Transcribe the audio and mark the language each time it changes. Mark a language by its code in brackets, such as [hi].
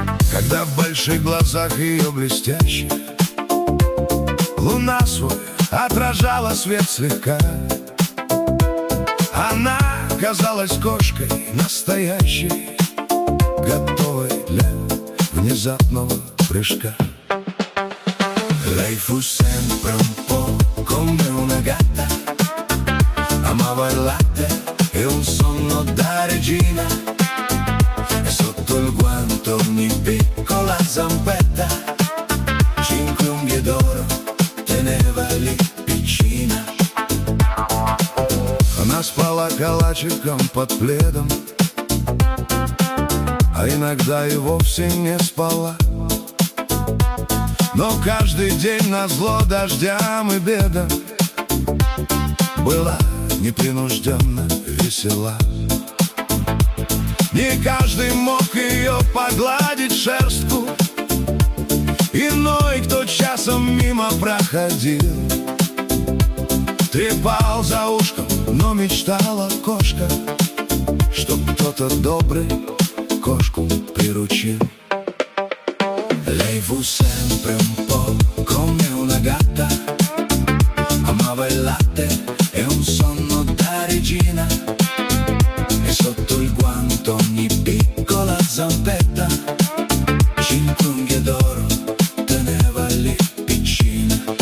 [ru] Когда в больших глазах ее блестящих луна свой отражала свет слегка, она казалась кошкой настоящей, готовой для внезапного прыжка. [it] Life was sent from come una gatta, amava il latte e un sonno da regina, e sotto il guanto ogni piccola zampetta, cinque unghie d'oro teneva lì piccina. [ru] Она спала калачиком под пледом, а иногда и вовсе не спала. Но каждый день назло дождям и бедам была непринужденно весела. Не каждый мог ее погладить шерстку, иной, кто часом мимо проходил, трепал за ушком, но мечтала кошка, чтоб кто-то добрый кошку приручил. [it] Lei fu sempre un po' come una gatta, amava il latte e un sonno da regina, e sotto il guanto ogni piccola zampetta, cinque unghie d'oro teneva lì piccina.